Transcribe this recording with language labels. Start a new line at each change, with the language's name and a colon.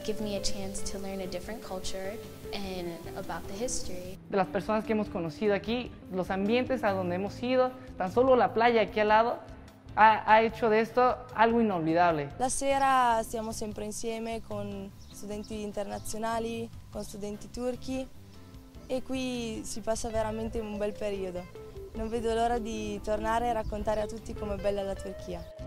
English: Give me a chance to learn a different culture and about the history.
Spanish: De las personas que hemos conocido aquí, los ambientes a donde hemos ido, tan solo la playa aquí al lado, ha hecho de esto algo inolvidable.
Italian: La sera siamo sempre insieme con studenti internazionali, con studenti turchi, e qui si passa veramente un bel periodo. Non vedo l'ora di tornare e raccontare a tutti com'è bella la Turchia.